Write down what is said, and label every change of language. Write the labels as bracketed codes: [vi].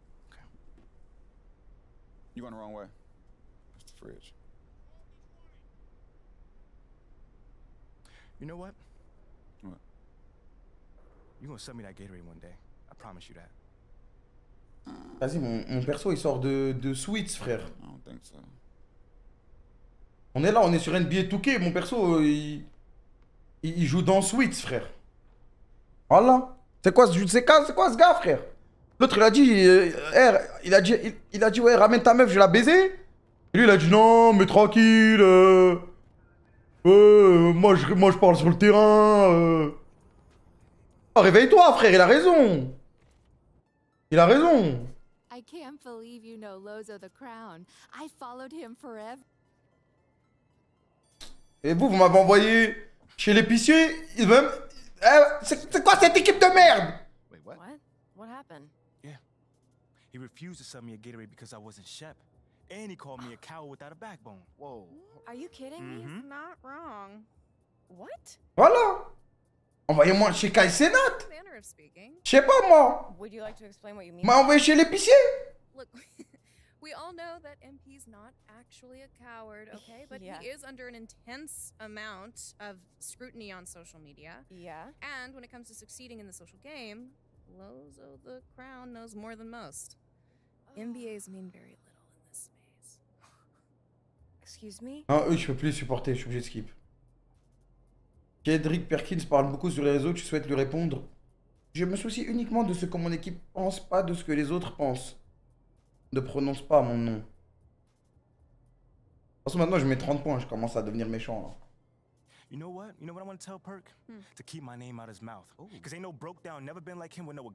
[en] Okay. You're going the wrong way. It's the fridge. You know what? What? You're gonna sell me that Gatorade one day. I promise you that. [fr] Vas-y, mon perso, il sort de Sweets, frère. [en] I don't think so. [fr] On est là, on est sur NBA 2K. Mon perso, il joue dans Sweets, frère. Voilà. C'est quoi ce gars, frère? L'autre, il a dit, ouais, ramène ta meuf, je vais la baiser. Et lui, il a dit, non, mais tranquille. Moi je parle sur le terrain. Oh, réveille-toi, frère, il a raison. Il a raison. [en] I can't believe you know Lozo the Crown. I followed him forever. [fr] Et vous m'avez envoyé chez l'épicier, il même c'est quoi cette équipe de merde? [en] Wait, what? What happened? Yeah. He refused to sell me a Gatorade because I wasn't Shep. And he called me a coward without a backbone. Whoa. Are you kidding me? He's not wrong. What? [fr] Voilà. Envoyez-moi chez Kai Senat. Je sais pas moi. [en] Like [fr] m'a envoyé chez l'épicier. [en] Look, we all know that MP's not actually a coward, okay? But yeah. He is under an intense amount of scrutiny on social media. Yeah. And when it comes to succeeding in the social game, Lozo the Crown knows more than most. MBAs mean very little in this space. Excuse me? [fr] Ah, oui, je peux plus les supporter, je suis obligé de skip. Kendrick Perkins parle beaucoup sur les réseaux, tu souhaites lui répondre? Je me soucie uniquement de ce que mon équipe pense, pas de ce que les autres pensent. Ne prononce pas mon nom. De toute façon, maintenant, je mets 30 points, je commence à devenir méchant. Là. [en] You know what? You know what I want to tell Perk? Hmm. To keep my name out of his mouth. Because ain't no broke down, never been like him with no.